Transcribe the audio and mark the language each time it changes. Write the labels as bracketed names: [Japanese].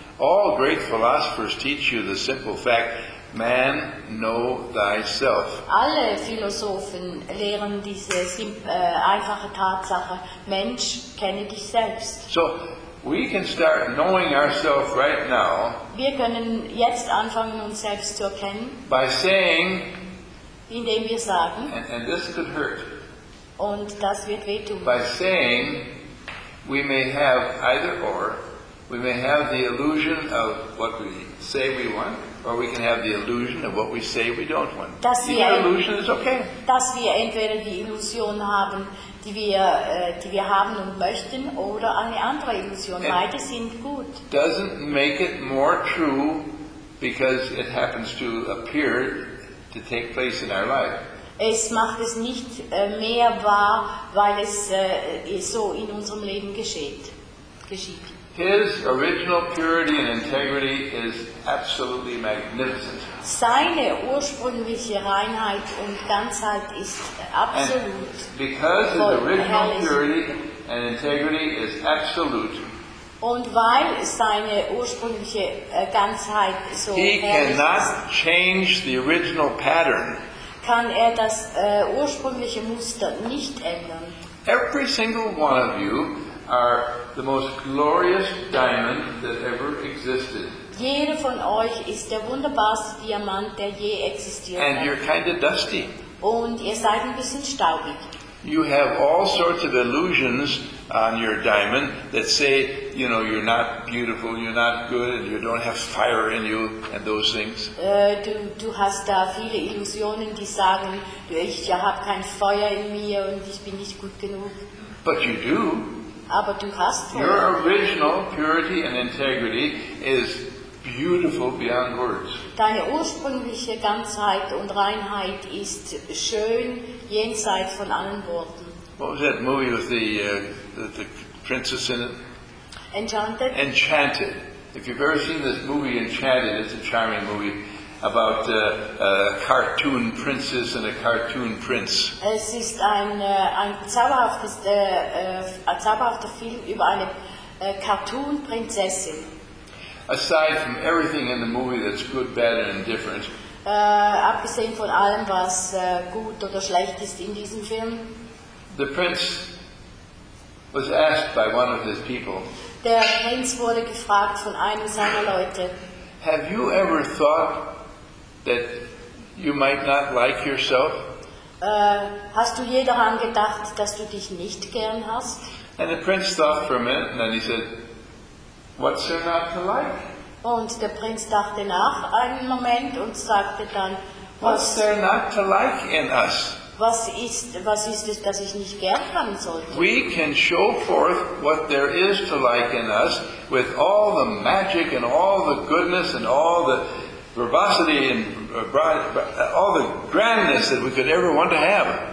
[English] All great philosophers teach you the simple fact, man, know thyself. [German] Alle Philosophen lehren diese einfache Tatsache, Mensch, kenne dich selbst. [English] So, we can start knowing ourselves right now. [German] Wir können jetzt anfangen, uns selbst zu erkennen. [English] By saying, [German] indem wir sagen, [English] and this could hurt. [German] Und das wird wehtun. [English] By saying, we may have either or, we may have the illusion of what we say we want, or we can have the illusion of what we say we don't want. Either illusion is okay. [German] Dass wir entweder die Illusion haben, die wir haben und möchten, oder eine andere Illusion. Beide sind gut. [English] Doesn't make it more true because it happens to appear to take place in our life. [German] Es macht es nicht mehr wahr, weil es so in unserem Leben geschieht. [English] His original purity and integrity is absolutely magnificent. [German] Seine ursprüngliche Reinheit und Ganzheit ist absolut. [English] And because his original purity and integrity is absolute. [German] Und weil seine ursprüngliche Ganzheit so [English] he cannot change the original pattern. [German] Kann das ursprüngliche Muster nicht ändern. [English] Every single one of you are the most glorious diamond that ever existed. [German] Jeder von euch ist der wunderbarste Diamant, der je existiert. [English] And you're kind of dusty. [German] Und ihr seid ein bisschen staubig. [English] You have all sorts of illusions on your diamond that say, you know, you're not beautiful, you're not good, and you don't have fire in you, and those things. [German] Du hast da viele Illusionen, die sagen, ich habe kein Feuer in mir und ich bin nicht gut genug. [English] But you do. [German] Aber du hast [English] your original purity and integrity is beautiful beyond words. [German] Deine ursprüngliche Ganzheit und Reinheit ist schön jenseits von allen Worten. [English] What was that movie with the princess in it? Enchanted. Enchanted. If you've ever seen this movie, Enchanted, it's a charming movie about a cartoon princess and a cartoon prince. [German] Es ist ein zauberhaftes zauberhafter Film über eine Cartoon Prinzessin. [English] Aside from everything in the movie that's good, bad, and indifferent. [German] Abgesehen von allem, was gut oder schlecht ist in diesem Film. [English] The prince was asked by one of his people. [German] Der Prinz wurde gefragt von einem seiner Leute. [English] Have you ever thought that you might not like yourself? [German] Hast du je daran gedacht, dass du dich nicht gern hast? [English] And the prince thought for a minute, and then he said, "What's there not to like?" [German] Und der Prinz dachte nach einen Moment und sagte dann, [English] "What's there not to like in us?" [German] Was ist es, das ich nicht gern haben sollte? [English] We can show forth what there is to like in us with all the magic and all the goodness and all the verbosity and all the grandness that we could ever want to have.